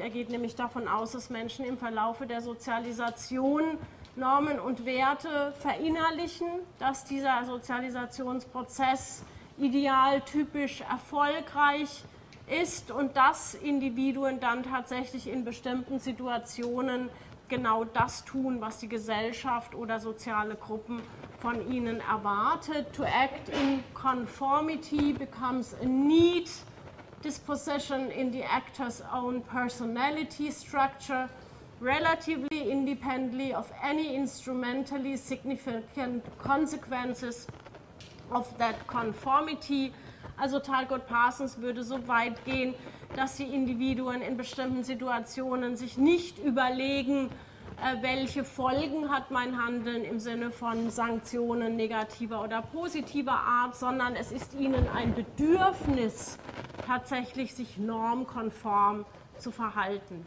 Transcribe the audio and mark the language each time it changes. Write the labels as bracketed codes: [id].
[de] Er geht nämlich davon aus, dass Menschen im Verlaufe der Sozialisation Normen und Werte verinnerlichen, dass dieser Sozialisationsprozess idealtypisch erfolgreich ist und dass Individuen dann tatsächlich in bestimmten Situationen genau das tun, was die Gesellschaft oder soziale Gruppen von ihnen erwartet. [en] To act in conformity becomes a need, disposition in the actor's own personality structure, relatively independently of any instrumentally significant consequences of that conformity. [de] Also Talcott Parsons würde so weit gehen, dass die Individuen in bestimmten Situationen sich nicht überlegen, welche Folgen hat mein Handeln im Sinne von Sanktionen negativer oder positiver Art, sondern es ist ihnen ein Bedürfnis, tatsächlich sich normkonform zu verhalten.